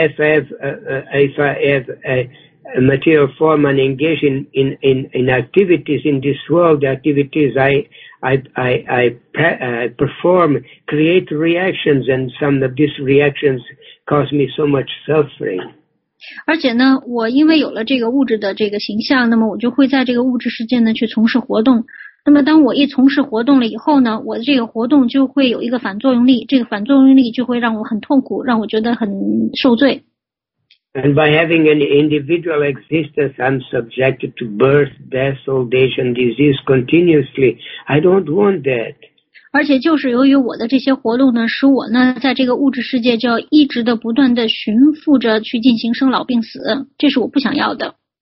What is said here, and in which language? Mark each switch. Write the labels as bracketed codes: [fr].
[en] If I have a material form and engage in activities in this world, the activities I perform create reactions, and some of these reactions cause me so much suffering. [zh] 而且呢，我因为有了这个物质的这个形象，那么我就会在这个物质世界呢去从事活动。那么当我一从事活动了以后呢，我这个活动就会有一个反作用力，这个反作用力就会让我很痛苦，让我觉得很受罪。 [en] And by having an individual existence, I'm subjected to birth, death, old age, and disease continuously. I don't want that. [zh] 而且就是由于我的这些活动呢，使我呢在这个物质世界就要一直的不断的循复着去进行生老病死，这是我不想要的。